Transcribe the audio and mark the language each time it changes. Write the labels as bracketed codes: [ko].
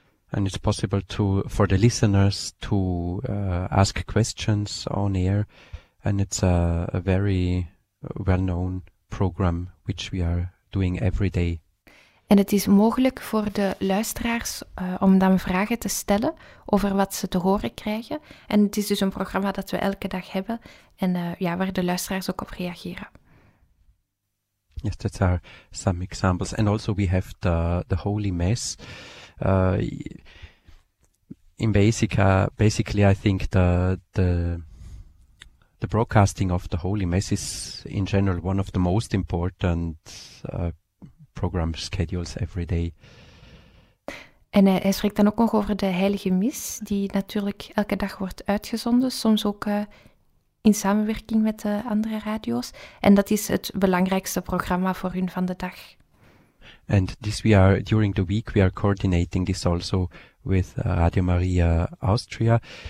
[en] And it's possible for the listeners to ask questions on air. And it's a very well-known program which we are doing every day. [nl] En het is mogelijk voor de luisteraars om dan vragen te stellen over wat ze te horen krijgen. En het is dus een programma dat we elke dag hebben en waar de luisteraars ook op reageren. [en] Yes, that are some examples. And also we have the Holy Mass. Basically I think the broadcasting of the Holy Mass is in general one of the most important program schedules every day. [nl] En hij spreekt dan ook nog over de Heilige Mis, die natuurlijk elke dag wordt uitgezonden, soms ook in samenwerking met de andere radio's. En dat is het belangrijkste programma voor hun van de dag. [en] And this we are, during the week, we are coordinating this also with Radio Maria Austria.